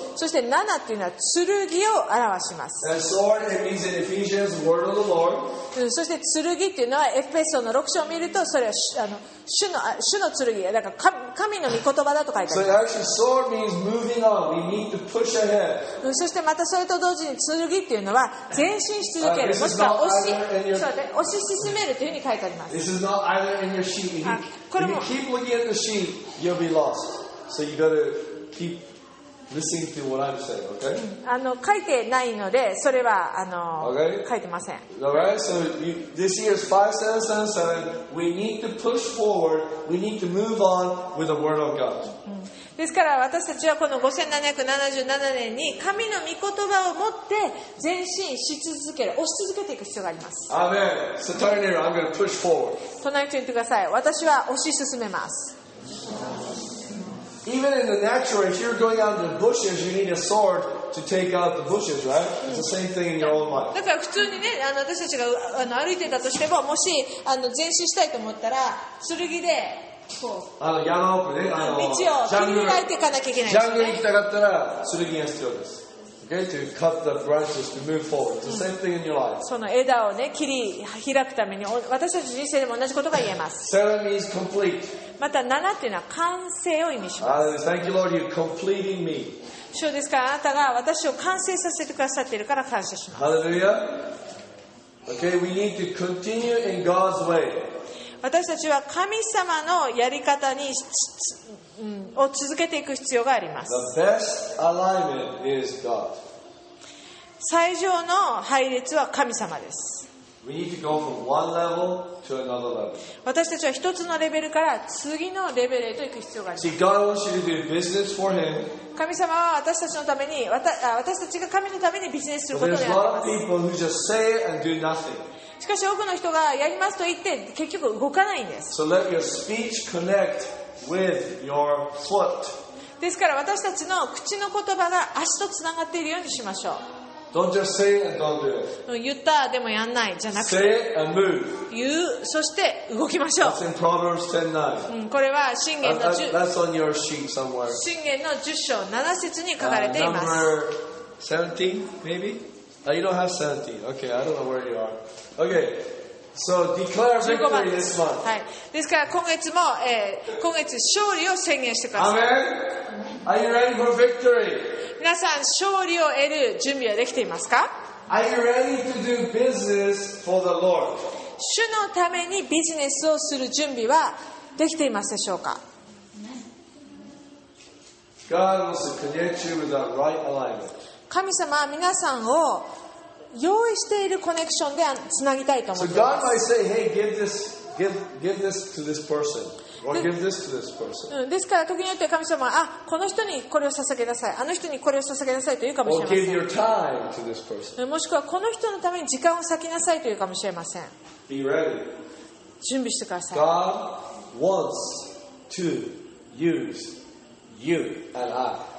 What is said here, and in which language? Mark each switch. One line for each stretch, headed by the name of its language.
Japanese: そして7っていうのは剣を表します。
English: And sword, it means in Ephesians, word of the Lord.
Japanese: そして剣っていうのはエフェソの6章を見るとそれは主の剣、だから神の御言葉だと書いてあります。
English: So actually, sword means moving on. We need to push ahead.
Japanese: そしてまたそれと同時に剣っていうのは前進し続ける、もしくは押し進めるというふうに書いてあります。
English: This is not either in your sheet. If you keep looking at the sheet, you'll be lost. So you gotta keep listening to what I'm saying, okay?
Japanese: 書いてないので、それは
English: okay?
Japanese: 書いてません。
English: Alright, so this year's 5777, we need to push forward, we need to move on with the Word of God.
Japanese: ですから私たちはこの5777年に神の御言葉を持って前進し続ける、押し続けていく必要があります。
English: アーメン。So turn here, I'm gonna push forward.
Japanese: 隣に言ってください。私は押し進めます。
English: Even in the natural, if you're going out in the bushes, you need a sword to take out the bushes, right? It's the same thing in your own life.
Japanese: だから普通にね、私たちが歩いてたとしても、もし前進したいと思ったら、剣でこう山奥ね、道を切り開いていかなきゃいけない、ね。ジャングルに行きたかったら剣が必要です。
English: Okay, to cut the branches to move forward. It's the same thing in your life.
Japanese: その枝をね、切り開くために私たち人生でも同じことが言えます。
English: Seven means complete.
Japanese: また7というのは完成を意味します。
English: Thank you, Lord, you're completing me.
Japanese: 主ですから、あなたが私を完成させてくださっているから感謝します。
English: Hallelujah. Okay, we need to continue in God's way.
Japanese: 私たちは神様のやり方に、を続けていく必要があります。
English: The best alignment is God.
Japanese: 最上の配列は神様です。
English: We need to go from one level to another level.
Japanese: 私たちは一つのレベルから次のレベルへと行く必要があります。
English: See, God wants you to do business for him.
Japanese: 神様は私たちのために、私たちが神のためにビジネスすることであります。
English: But there's a lot of people who just say it and do nothing.
Japanese: しかし多くの人がやりますと言って結局動かないんです。
English: So let your speech connect with your foot.
Japanese: ですから私たちの口の言葉が足とつながっているようにしましょう。
English: Don't just say it and don't do it.
Japanese: 言ったでもやんないじゃなくて
English: Say it and move.
Japanese: 言うそして動きましょう
English: That's in Proverbs 10:9.
Japanese: これは箴言の10
English: That's on your sheet somewhere.
Japanese: 箴言の10章7節に書かれています
English: Number 17 maybe? You don't have 17. Okay, I don't know where you are. Okay, so declare victory this month.
Japanese: はい。ですから今月も、今月勝利を宣言してください。
English: Amen. Are you ready for victory?
Japanese: 皆さん勝利を得る準備はできていますか？
English: Are you ready to do business for the Lord?
Japanese: 主のためにビジネスをする準備はできていますでしょうか？
English: God wants to connect you with that right alignment.
Japanese: 神様は皆さんを用意しているコネクションでつなぎたいと思っています
English: 。 So God might say, hey, give this to this person. Or give this to this person.
Japanese: ですから時によって神様はあこの人にこれを捧げなさいあの人にこれを捧げなさいというかもしれません
English: Or give your time to this person.
Japanese: もしくはこの人のために時間を割きなさいというかもしれません
English: Be ready.
Japanese: 準備してください
English: God wants to use you and I.